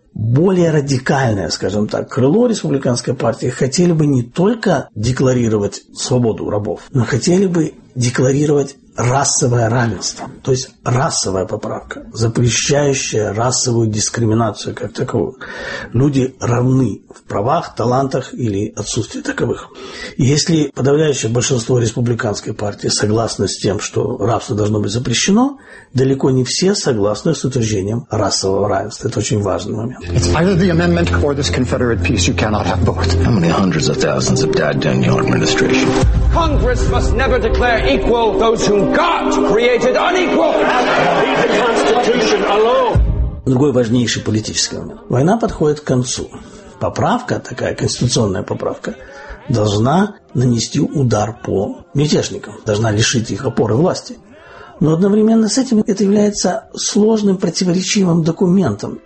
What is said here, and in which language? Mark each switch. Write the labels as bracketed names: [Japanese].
[Russian] Более радикальное, скажем так, крыло республиканской партии хотели бы не только декларировать свободу рабов, но хотели бы декларировать расовое равенство, то есть расовая поправка, запрещающая расовую дискриминацию как таковую. Люди равны в правах, талантах или отсутствии таковых. И если подавляющее большинство республиканской партии согласны с тем, что рабство должно быть запрещено, далеко не все согласны с утверждением расового равенства. Это очень важный момент. [English] It's either the amendment or this Confederate peace. You cannot have both. How many hundreds of thousands have died during your administration? Congress must never declare equal those whom God created unequal. The Constitution alone. [Russian] Другой важнейший политический момент. Война подходит к концу. Поправка, такая конституционная поправка, должна нанести удар по мятежникам, должна лишить их опоры власти. Но одновременно с этим это является сложным противоречивым документом.